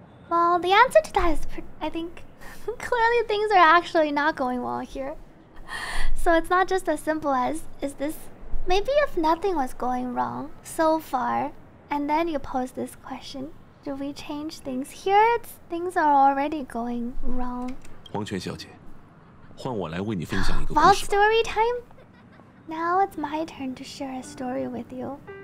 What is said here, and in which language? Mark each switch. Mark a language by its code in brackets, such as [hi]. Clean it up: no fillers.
[en] Well, the answer to that is, I think, clearly things are actually not going well here. So it's not just as simple as, is this... Maybe if nothing was going wrong so far, and then you pose this question, do we change things? Here, things are already going wrong. [zh] 黄泉小姐, 换我来为你分享一个故事吧。 [en] Vault story time? Now it's my turn to share a story with you.